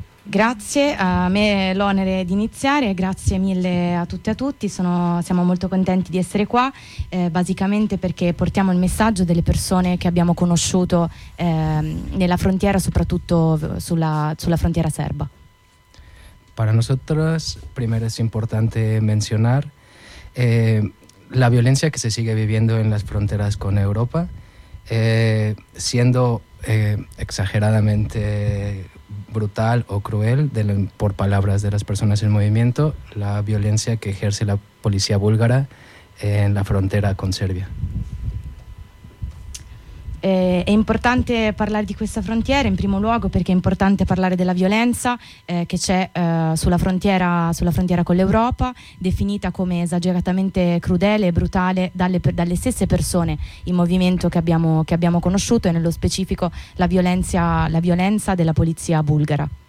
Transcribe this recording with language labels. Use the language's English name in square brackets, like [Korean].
[Italian] Grazie, a me l'onere di iniziare, grazie mille a tutte e a tutti, siamo molto contenti di essere qua, basicamente perché portiamo il messaggio delle persone che abbiamo conosciuto nella frontiera, soprattutto sulla frontiera serba. [Spanish] Para nosotros, primero es importante mencionar la violencia que se sigue viviendo en las fronteras con Europa, siendo exageradamente brutal o cruel, por palabras de las personas en movimiento, la violencia que ejerce la policía búlgara en la frontera con Serbia. [Italian] È importante parlare di questa frontiera in primo luogo perché è importante parlare della violenza che c'è sulla frontiera con l'Europa, definita come esageratamente crudele e brutale dalle stesse persone in movimento che abbiamo conosciuto, e nello specifico la violenza della polizia bulgara.